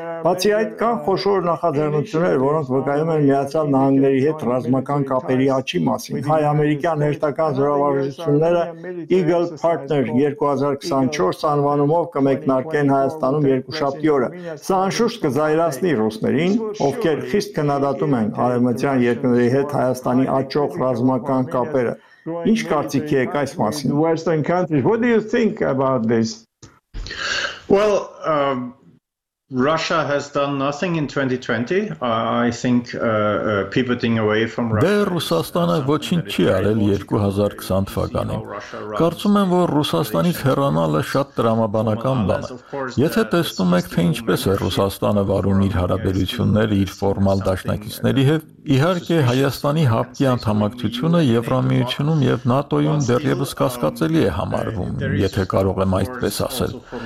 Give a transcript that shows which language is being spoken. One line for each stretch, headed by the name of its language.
Armenian: Բացի այդ, կան խոշոր նախաձեռնություններ, որոնք վկայում են Միացյալ Նահանգների հետ ռազմական կապերի աճի մասին։ Հայ-ամերիկյան հերթական զորավարությունները Eagle Partner 2024 անվանումով կմեկնարկեն Հայաստանում երկու շաբթի օրը։ Սա անշուշտ կզայրացնի ռուսներին, ովքեր խիստ քննադատում են արևմտյան երկրների հետ Հայաստանի աճող ռազմական կապերը։ Ինչ կարծիք եք այս մասին?
English: Western countries, what do you think about this? Well, Russia has done nothing in 2020. I think pivoting away from Russia.
Armenian: Դեռ Ռուսաստանը ոչինչ չի արել 2020 թվականին։ Կարծում եմ, որ Ռուսաստանից հեռանալը շատ տրամաբանական բան է։ Եթե տեսնում եք, թե ինչպես է Ռուսաստանը վարում իր հարաբերությունները իր ֆորմալ դաշնակիցների հետ, իհարկե Հայաստանի հապտի անդամակցությունը Եվրամիությունում եւ ՆԱՏՕ-ում դեռևս կասկածելի է համարվում, եթե կարող եմ այդպես ասել։